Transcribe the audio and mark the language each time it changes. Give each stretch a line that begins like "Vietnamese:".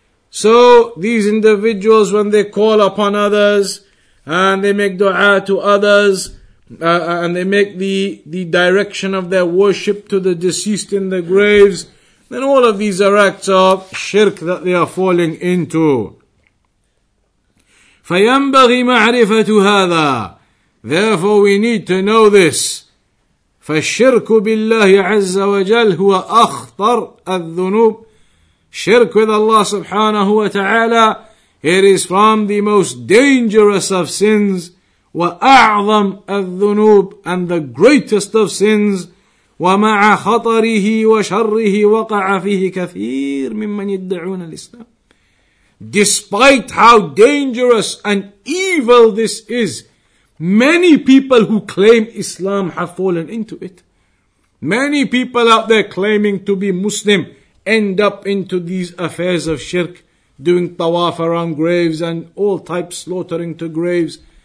English: So these individuals, when they call upon others, and they make dua to others, and they make the direction of their worship to the deceased in the graves, then all of these are acts of shirk that they are falling into.
Arabic: فَيَنْبَغِي مَعْرِفَةُ هَذَا,
English: therefore we need to know this.
Arabic: فالشرك بالله عز وجل هو أخطر الذنوب.
English: Shirk with Allah subhanahu wa ta'ala, it is from the most dangerous of sins.
Arabic: وأعظم الذنوب,
English: and the greatest of sins.
Arabic: ومع خطره وشره وقع فيه كثير ممن يدعون الإسلام.
English: Despite how dangerous and evil this is, many people who claim Islam have fallen into it. Many people out there claiming to be Muslim end up into these affairs of shirk, doing tawaf around graves and all types slaughtering to graves.